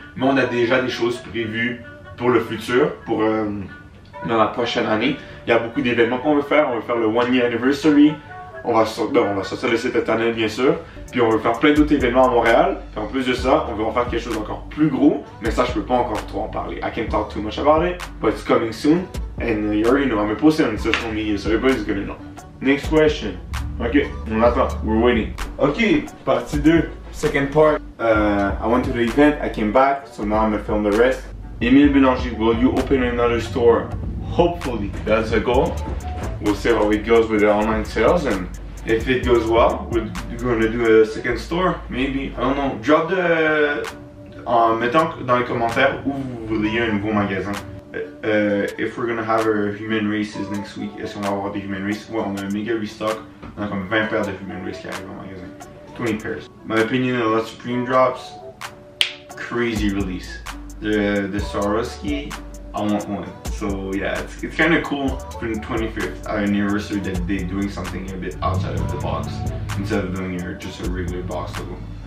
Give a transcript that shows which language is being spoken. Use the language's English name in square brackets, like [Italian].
[French] Mais on a déjà des choses prévues pour le futur, pour dans la prochaine année. Il y a beaucoup d'événements qu'on veut faire. On veut faire le [English] one year anniversary. [French] On va sortir le site internet, bien sûr. Puis on veut faire plein d'autres événements à Montréal. Puis en plus de ça, on veut en faire quelque chose d'encore plus gros. Mais ça, je peux pas encore trop en parler. [English] I can't talk too much about it, but it's coming soon. And you already know, I'm gonna post it on social media, so everybody's gonna know. Next question. Ok, [French] on attend. [English] We're waiting. Ok, [French] partie 2. [English] Second part. I went to the event, I came back, so now I'm gonna film the rest. Emile Bélanger, will you open another store? Hopefully, that's the goal. We'll see how it goes with the online sales, and if it goes well, we're gonna do a second store, maybe. I don't know. Drop the... [French] mettons dans les commentaires où vous voulez un nouveau magasin. [English] If we're gonna have our human races next week, [French] est-ce qu'on va avoir des human races? Ouais, on a un mega restock. On a comme 20 paires de human races qui arrivent au magasin. [English] 20 pairs. My opinion of the Supreme drops, crazy release. The Swarovski, I want one. So yeah, it's kind of cool for the 25th anniversary that they're doing something a bit outside of the box instead of doing your just a regular box level.